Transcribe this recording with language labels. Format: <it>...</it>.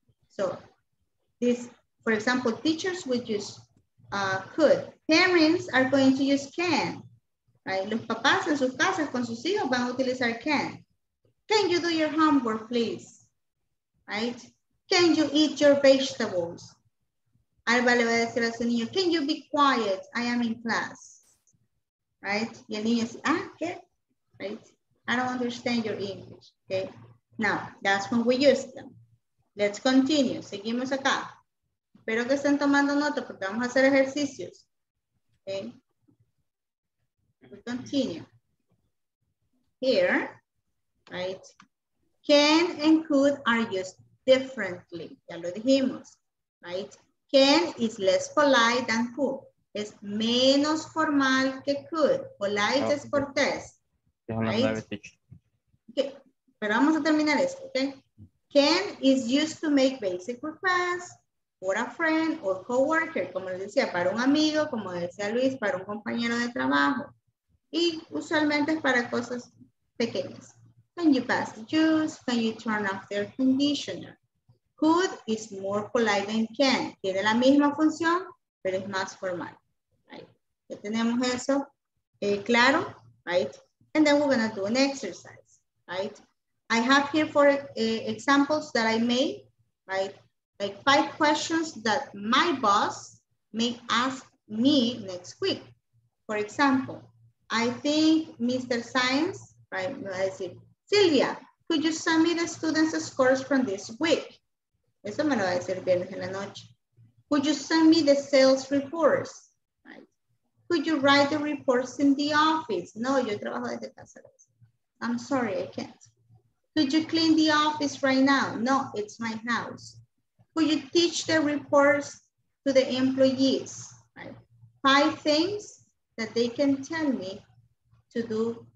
<en>So, this, for example, teachers would use could. Parents are going to use can. Right?</en> <es>Los papás en sus casas con sus hijos van a utilizar can.</es> <en>Can you do your homework, please? Right? Can you eat your vegetables?</en> <es>Alba le va a decir a su niño,</es> <en>can you be quiet? I am in class. Right?</en> <es>Y el niño dice, ah, ¿qué?</es> <en>Right? I don't understand your English. Okay? Now, that's when we use them. Let's continue.</en> <es>Seguimos acá. Espero que estén tomando nota porque vamos a hacer ejercicios.</es> <en>Okay, we continue. Here, right, can and could are used differently.</en> <es>Ya lo dijimos,</es> <en>right? Can is less polite than could.</en> <es>Es menos formal que could. Polite es cortés, right?</es> <en>Okay,</en> <es>pero vamos a terminar esto,</es> <en>okay? Can is used to make basic requests. For a friend or coworker,</en> <es>como les decía, para un amigo, como decía Luis, para un compañero de trabajo. Y usualmente es para cosas pequeñas.</es> <en>Can you pass the juice? Can you turn off the air conditioner? Could is more polite than can.</en> <es>Tiene la misma función, pero es más formal.</es> <en>Right.</en> <es>Ya tenemos eso claro, right?</es> <en>And then we're going to do an exercise, right? I have here four examples that I made, right? Like 5 questions that my boss may ask me next week. For example, I think Mr. Science, right,</en> <es>me va a decir,</es> <en>Silvia, could you send me the students' scores from this week?</en> <es>Eso me lo va a decir viernes en la noche.</es> <en>Could you send me the sales reports? Right. Could you write the reports in the office?</en> <es>No, yo trabajo desde casa.</es> <en>I'm sorry, I can't. Could you clean the office right now? No, it's my house. Could you teach the reports to the employees? Right? 5 things that they can tell me to do</en>